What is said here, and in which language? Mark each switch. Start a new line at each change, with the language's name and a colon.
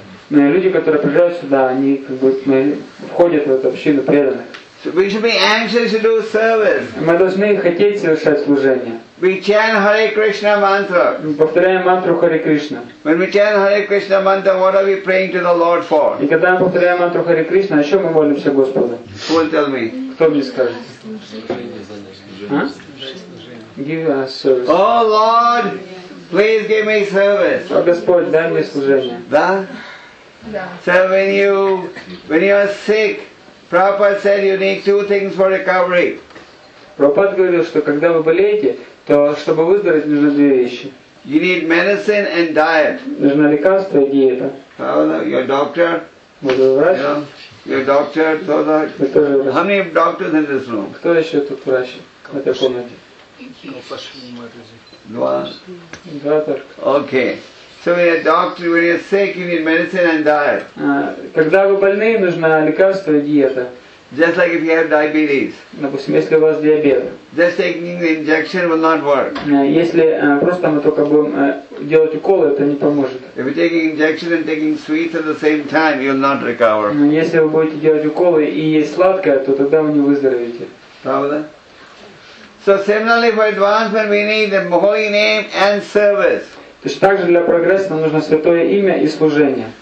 Russian: Люди, которые приезжают сюда, они как бы входят в эту общину преданных.
English: So we should be anxious to do service.
Russian: Мы должны хотеть совершать служение.
English: We chant Hare Krishna mantra.
Russian: Мы повторяем мантру Харе Кришна.
English: When we chant Hare Krishna mantra, what are we praying to the Lord for?
Russian: И когда мы повторяем мантру Харе Кришна, о чем мы молимся Господу?
English: Who will tell me?
Russian: Кто мне скажет?
English: Give us service. Oh Lord, please give me service.
Russian: О Господь, дай мне служение. Да? Да.
English: So when you are sick, Prabhupada said you need two things for recovery.
Russian: Прабхупад говорил, что когда вы болеете, то чтобы выздороветь, нужно две вещи.
English: You need medicine and diet.
Russian: Нужно лекарство и диета.
English: Your doctor.
Russian: Врач.
English: Your doctor.
Russian: Тоже.
English: How many doctors in this room?
Russian: Кто еще тут врач в этой комнате?
English: Okay. So when you're a doctor, when you're sick, you need medicine and diet.
Russian: Когда вы больны, нужно лекарство и диета.
English: Just like if you have diabetes.
Russian: Допустим, если у вас диабет.
English: Just taking the injection will not work.
Russian: Если просто мы только будем делать уколы, это не поможет.
English: If you're taking injection and taking sweets at the same time, you'll not recover.
Russian: Если вы будете делать уколы и есть сладкое, то тогда вы не выздоровеете. Правда?
English: So similarly for advancement we need the holy name and service.
Russian: То есть также для прогресса нам нужно святое имя и служение.